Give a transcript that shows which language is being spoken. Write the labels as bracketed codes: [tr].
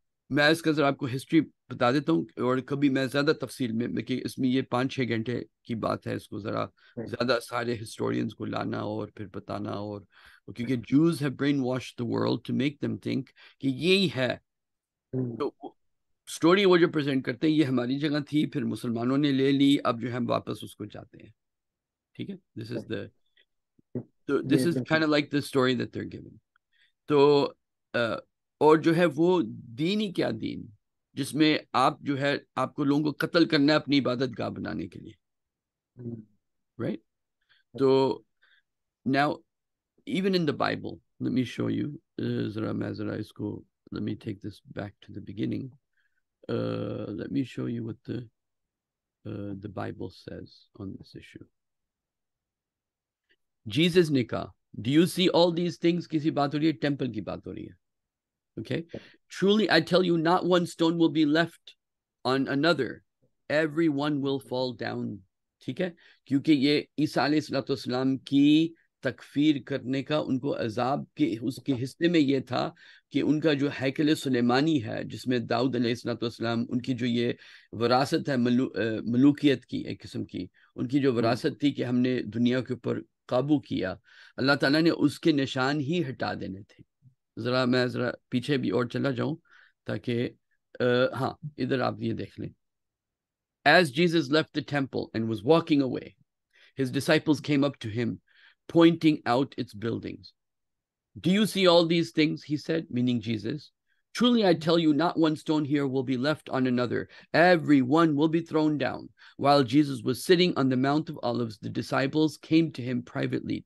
[ur] میں اس کا ذرا آپ کو ہسٹری بتا دیتا ہوں اور کبھی میں زیادہ تفصیل میں, کہ اس میں یہ 5-6 گھنٹے کی بات ہے, اس کو ذرا زیادہ سارے ہسٹورینز کو لانا اور پھر بتانا. اور کیونکہ [en] Jews have brainwash the world to make them think [ur] کہ یہی ہے, تو اسٹوری وہ جو پریزنٹ کرتے ہیں یہ ہماری جگہ تھی, پھر مسلمانوں نے لے لی, اب جو ہے ہم واپس اس کو جاتے ہیں. ٹھیک ہے, [en] This is the this is kind of like the story that they are giving. [ur] تو اور جو ہے وہ دین ہی کیا دین جس میں آپ جو ہے آپ کو لوگوں کو قتل کرنا ہے اپنی عبادت گاہ بنانے کے لیے, رائٹ. [en] تو now even in the Bible, let me show you, [ur] ذرا میں ذرا اس کو, [en] Let me take this back to the beginning, let me show you what the Bible says on this issue. [ur] Jesus نے کہا, [en] do you see all these things, [ur] کسی بات ہو رہی ہے ٹیمپل کی بات ہو رہی ہے. [en] Okay, truly I tell you, not one stone will be left on another, every one will fall down. [ur] ٹھیک ہے, کیونکہ یہ عیسیٰ علیہ الصلوۃ والسلام کی تکفیر کرنے کا ان کو عذاب کے اس کے حصے میں یہ تھا کہ ان کا جو ہیکل سلیمانی ہے جس میں داؤد علیہ الصلوۃ والسلام ان کی جو یہ وراثت ہے ملوکیت کی ایک قسم کی, ان کی جو وراثت تھی کہ ہم نے دنیا کے اوپر قابو کیا, اللہ تعالیٰ نے اس کے نشان ہی ہٹا دینے تھے. ذرا میں ذرا پیچھے بھی اور چلا جاؤں تاکہ ہاں ادھر آپ یہ دیکھ لیں. [en] As Jesus left the temple and was walking away, his disciples came up to him, pointing out its buildings. Do you see all these things? He said, meaning Jesus. Truly I tell you, not one stone here will be left on another. Every one will be thrown down. While Jesus was sitting on the Mount of Olives, the disciples came to him privately.